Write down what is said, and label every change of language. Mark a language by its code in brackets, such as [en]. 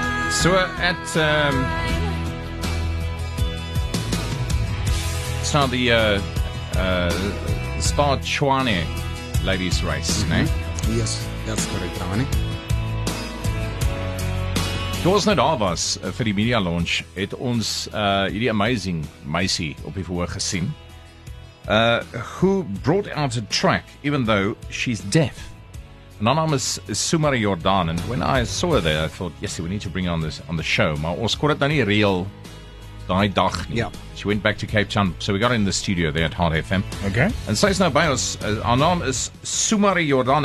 [en] So it's now the Spa Chuane ladies' race, eh? Yes, that's correct, Rani. [af] Doors net af was vir die media launch, het ons hierdie amazing meisie op die verhoog gesien. [en] Who brought out a track, even though she's deaf. Anonymous Sumari Jordan, and when I saw her there, I thought, yes, we need to bring her on the show. [af] Maar ons kon dit nou nie reël daai dag nie. [en] Yeah. She went back to Cape Town, so we got in the studio there at Hard FM. Okay. And so it's now by us, our name is Sumari Jordan.